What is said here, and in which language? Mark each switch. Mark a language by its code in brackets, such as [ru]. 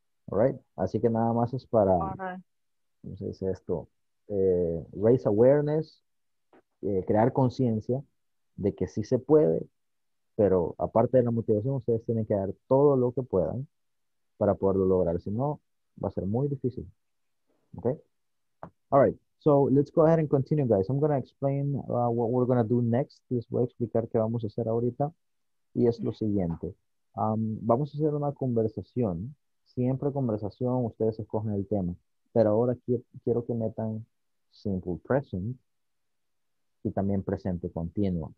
[es] Alright, así que nada más es para, ¿cómo se dice esto? [en] Raise awareness, [es] crear conciencia de que sí se puede, pero aparte de la motivación, ustedes tienen que dar todo lo que puedan para poderlo lograr. Si no, va a ser muy difícil. Okay. [en] Alright, so let's go ahead and continue, guys. I'm going to explain what we're going to do next. [es] Les voy a explicar qué vamos a hacer ahorita. Y es lo siguiente. Vamos a hacer una conversación. Siempre conversación, ustedes escogen el tema. Pero ahora quiero que metan simple present y también presente continuo.